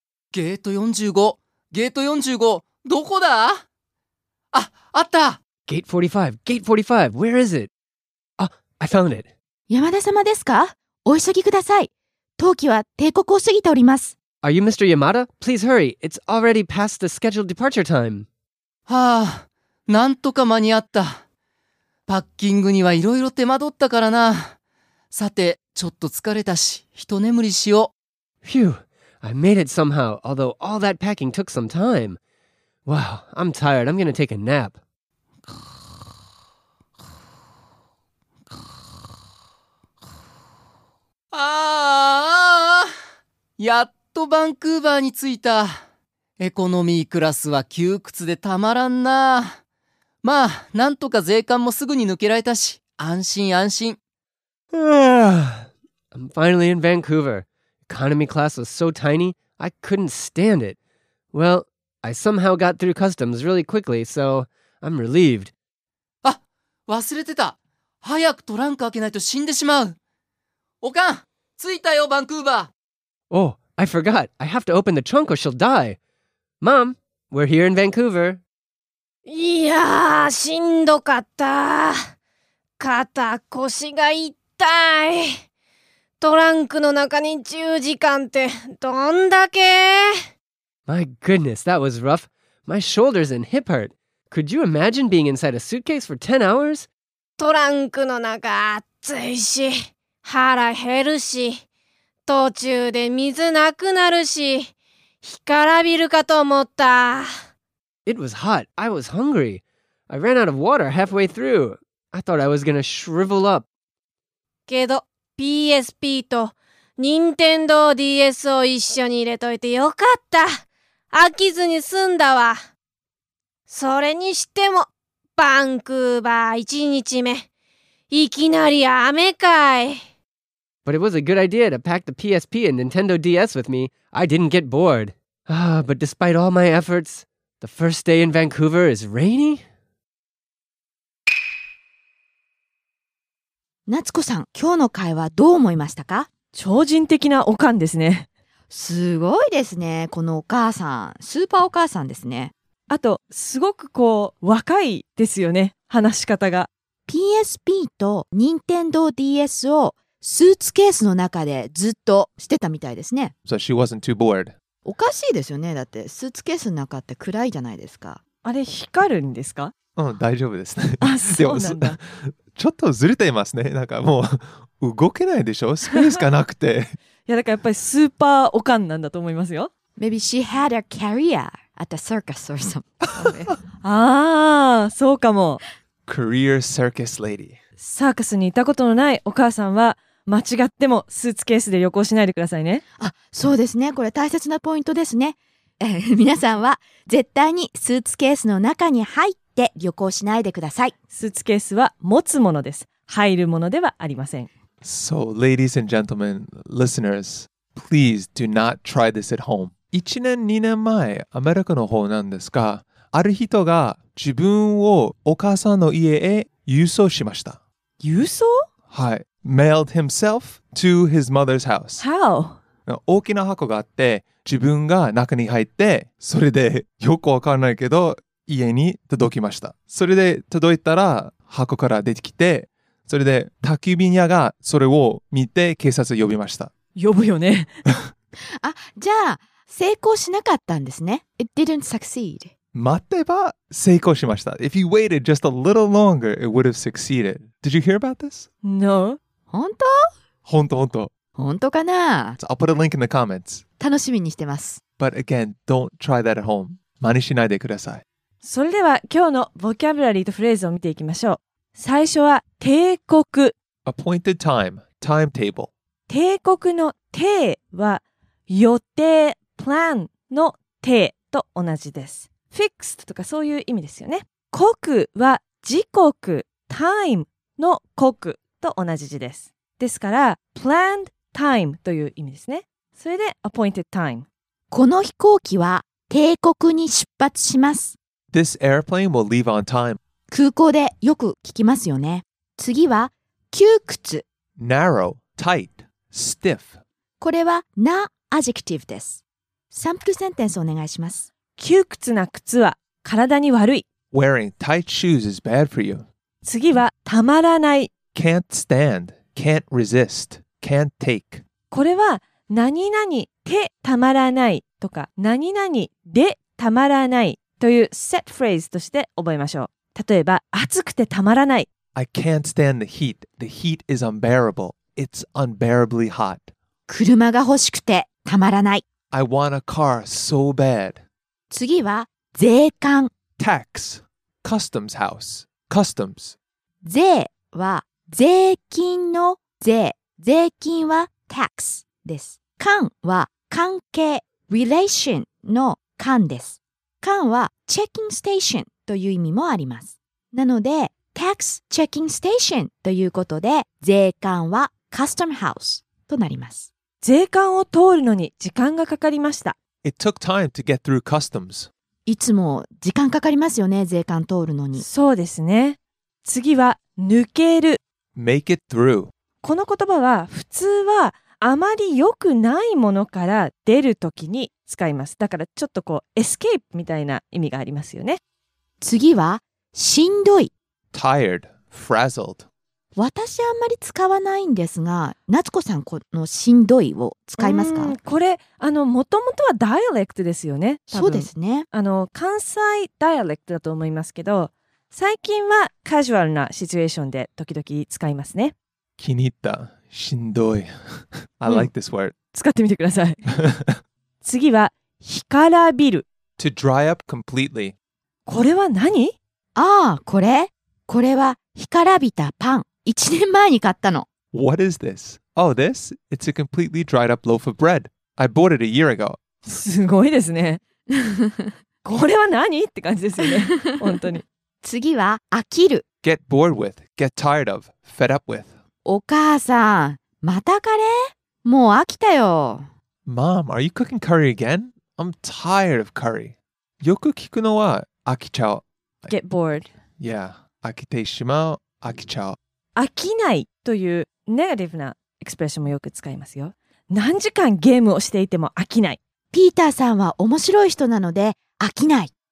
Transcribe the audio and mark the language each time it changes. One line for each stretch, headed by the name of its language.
Japanese: ゲート45、ゲート45、どこだ？あ、あった！
English: Gate 45, Gate 45, where is it? あ、I found it.
Japanese: 山田様ですか？お急ぎください。登機は定刻を過ぎております。
English: Are you Mr. Yamada? Please hurry, it's already past the scheduled departure time.
Japanese: はあ、なんとか間に合った。パッキングにはいろいろ手間取ったからな。さて、ちょっと疲れたし、一眠りしよう。
English: Phew, I made it somehow, although all that packing took some time. Wow, I'm tired, I'm gonna take a nap.
Japanese: ああ、やっとバンクーバーに着いた。エコノミークラスは窮屈でたまらんな。まあ、なんとか税関もすぐに抜けられたし、安心安心。
English: I'm finally in Vancouver. Economy class was so tiny, I couldn't stand it. Well, I somehow got through customs really quickly, so I'm relieved.
Japanese: あ、忘れてた。早くトランク開けないと死んでしまう。おかん、着いたよ、バンクーバー。
English: Oh, I forgot. I have to open the trunk or she'll die. Mom, we're here in Vancouver.
Japanese: いやー、しんどかった。肩、腰が痛い。トランクの中に10時間ってどんだけ。
English: My goodness, that was rough. My shoulders and hip hurt. Could you imagine being inside a suitcase for 10 hours?
Japanese: トランクの中暑いし、腹減るし、途中で水なくなるし、干からびるかと思った。
English: It was hot. I was hungry. I ran out of water halfway through. I thought I was gonna shrivel up.
Japanese: けど、PSP と Nintendo DS を一緒に入れといてよかった。飽きずに済んだわ。それにしても、バンクーバー一日目、いきなり雨かい。
English: But it was a good idea to pack the PSP and Nintendo DS with me. I didn't get bored. Ah, but despite all my efforts, the first day in Vancouver is rainy?
Japanese: 夏子さん、今日の会話どう思いましたか？超人的なおかんですね。すごいですね、このお母さん。スーパーお母さんですね。あと、すごくこう、若いですよね、話し方が。 PSP と Nintendo DS をスーツケースの中でずっとしてたみたいですね。
English: So she wasn't too bored.
Japanese: おかしいですよね。だってスーツケースの中って暗いじゃないですか。あれ光るんですか？うん、大丈夫ですね。あ、そうなんだ。ちょっとずれていますね。なんかもう動けないでしょ。スペースがなくて。いや、だからやっぱりスーパーおかんなんだと思いますよ。
English: Maybe she had a career at the circus or something.
Japanese: あー、そうかも。
English: Career circus lady.
Japanese: サーカスにいたことのないお母さんは間違ってもスーツケースで旅行しないでくださいね。あ、そうですね。これ大切なポイントですね。皆さんは絶対にスーツケースの中に入って旅行しないでください。スーツケースは持つものです。入るものではありません。
English: So, ladies and gentlemen, listeners, please do not try this at home.
Japanese: 1年、2年前、アメリカの方なんですが、ある人が自分をお母さんの家へ郵送しました。郵送？はい。
English: Mailed himself to his mother's house. How?
Japanese: 大きな箱があって、自分が中に入って、それでよくわからないけど、家に届きました。それで届いたら、箱から出てきて、それで宅急便屋がそれを見て警察呼びました。呼ぶよね。あ、じゃあ、成功しなかったんですね。
English: It didn't succeed.
Japanese: 待てば成功しました。
English: If you waited just a little longer, it would have succeeded. Did you hear about this? No.
Japanese: 本当？本当本当。本当かな？
English: So I'll put a link in the comments.
Japanese: 楽しみにしてます。
English: But again, don't try that at home.
Japanese: 真似しないでください。それでは今日のボキャブラリーとフレーズを見ていきましょう。最初は定刻。
English: Appointed time, timetable.
Japanese: 定刻の定は予定、plan の定と同じです。 Fixed とかそういう意味ですよね。刻は時刻、time の刻と同じ字です。ですから、planned time という意味ですね。それで appointed time。この飛行機は定刻に出発します。
English: This airplane will leave on time.
Japanese: 空港でよく聞きますよね。次は窮屈。
English: Narrow, tight, stiff.
Japanese: これはなアジェクティブです。サンプルセンテンスお願いします。窮屈な靴は体に悪い。
English: Wearing tight shoes is bad for you.
Japanese: 次はたまらない。
English: Can't stand, can't resist, can't take.
Japanese: これは何々てたまらないとか何々でたまらないというset phraseとして覚えましょう。例えば、暑くてたまらない。
English: I can't stand the heat. The heat is unbearable. It's unbearably hot.
Japanese: 車が欲しくてたまらない。
English: I want a car so bad.
Japanese: 次は、税関。
English: Tax. Customs house. Customs.
Japanese: 税は税金の税。税金は tax です。関は関係。 Relation の関です。関は checking station。という意味もあります。なので、tax checking station ということで、税関は custom house となります。税関を通るのに時間がかかりました。
English: It took time to get through customs.
Japanese: いつも時間かかりますよね、税関通るのに。そうですね。次は、抜ける。
English: Make it through.
Japanese: この言葉は、普通はあまり良くないものから出るときに使います。だからちょっとこう、escape みたいな意味がありますよね。次は、しんどい。
English: Tired, frazzled.
Japanese: 私あんまり使わないんですが、夏子さんこのしんどいを使いますか？これあの元々はダイアレクトですよね。そうですね、あの関西ダイアレクトだと思いますけど、最近はカジュアルなシチュエーションで時々使いますね。気に入った、しんどい。
English: I like this word、
Japanese: 使ってみてください。次は干からびる、
English: to dry up completely。
Japanese: これは何？ああ、これは干からびたパン、1年前に買ったの。
English: What is this? Oh, this? It's a completely dried up loaf of bread. I bought it a year ago.
Japanese: すごいですね。これは何？って感じですよね。本当に。次は飽きる。
English: Get bored with, get tired of, fed up with.
Japanese: お母さん、またカレー？もう飽きたよ。
English: Mom, are you cooking curry again? I'm tired of curry.
Japanese: よく聞くのは飽きちゃう。
English: Get bored.
Japanese: Yeah, 飽きてしまう、飽きちゃう。飽きないというネガティブなエクスプレッションもよく使いますよ。何時間ゲームをしていても飽きない。ピーターさんは面白い人なので飽きない。